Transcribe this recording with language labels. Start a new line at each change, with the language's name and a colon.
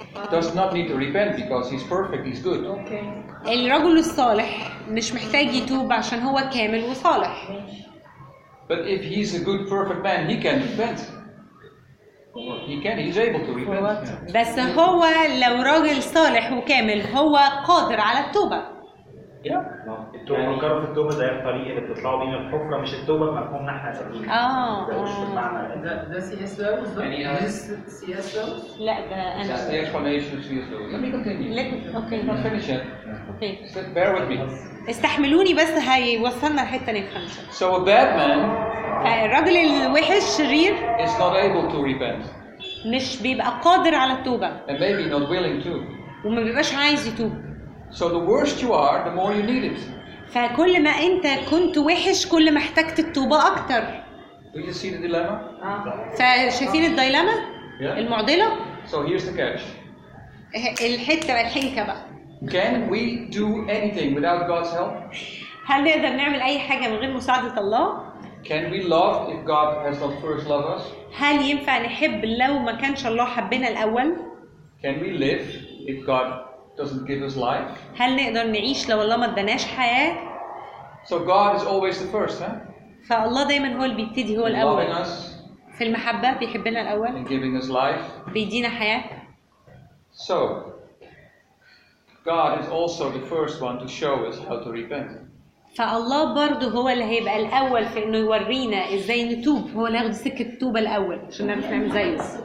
English: Does not need to repent because he's perfect. He's good. Okay.
Arabic: الرجل الصالح مش محتاج يتوب عشان هو كامل وصالح.
English: But if he's a good, perfect man, he can repent. He can. He's able to repent.
Arabic: بس هو لو رجل صالح وكامل هو قادر على التوبة.
English: Yeah.
Arabic: التوبة مكرف التوبة زي الطريق اللي بتطلعوا بين الحفرة مش التوبة مفهوم نحنا تقولين. آه. ده CS Lewis. CS Lewis. لا ده أنا.
English: That's the explanation of CS Lewis. Let me continue. Okay. Not finish it. Okay. Bear with me.
Arabic: استحملوني بس هاي وصلنا لحتة نفهم.
English: So a bad man.
Arabic: فالرجل الوحش شرير.
English: Is not able to repent.
Arabic: مش بيبقى قادر على التوبة.
English: And maybe not willing to.
Arabic: وما بيبقاش عايز يتوب.
English: So the worse you are, the more you need it.
Arabic: فكل ما انت كنت وحش كل ما احتجت التوبه اكتر.
English: Do you see the dilemma?
Arabic: فشايفين الديلما؟
English: Yeah.
Arabic: المعضله؟
English: So here's the catch.
Arabic: الحته بقى الحنكه بقى.
English: Can we do anything without God's help?
Arabic: هل نقدر نعمل اي حاجه من غير مساعده الله؟
English: Can we love if God has not first loved us?
Arabic: هل ينفع نحب لو ما كانش الله حبنا الاول؟
English: Can we live if God doesn't give us life.
Arabic: هل نقدر نعيش لو الله ما اداناش حياة؟
English: So God is always the first, huh?
Arabic: فالله دايما هو اللي بيبتدي هو الأول.
English: Loving us.
Arabic: في المحبة بيحبنا الأول.
English: And giving us life.
Arabic: بيدينا حياة.
English: So God is also the first one to show us how to repent.
Arabic: فالله برضو هو اللي هيبقى الأول في إنه يورينا إزاي نتوب. هو ناخد سكة التوبة الأول عشان نعرف نعمل زيه.